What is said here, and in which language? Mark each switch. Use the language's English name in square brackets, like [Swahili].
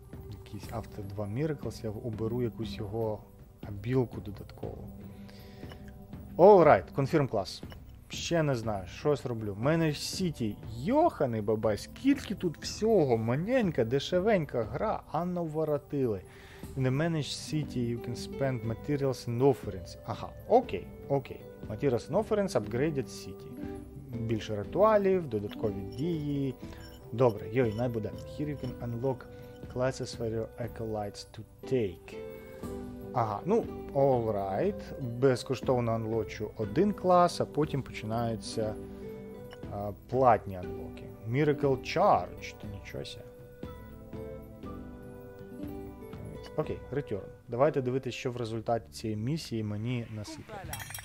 [Ukrainian] Якийсь After 2 Miracles, я оберу якусь його абілку додаткову. [English] Alright, confirm class. [Ukrainian] Ще не знаю, щось роблю. Manage City, йоханий бабай, скільки тут всього, маленька, дешевенька гра, а наворотили. [English] In the Manage City you can spend materials and offerings. Ага, окей, окей. Materials and offerings upgraded city. [Ukrainian] Більше ритуалів, додаткові дії. Добре, йой, най буде. [English] Here you can unlock classes for your acolytes to take. [Ukrainian] Ага, ну, [English] all right. [Ukrainian] Безкоштовно анлочу один клас, а потім починаються платні анлоки. Miracle Charge, то нічого себе. Окей, return. Давайте дивитися, що в результаті цієї місії мені насипає.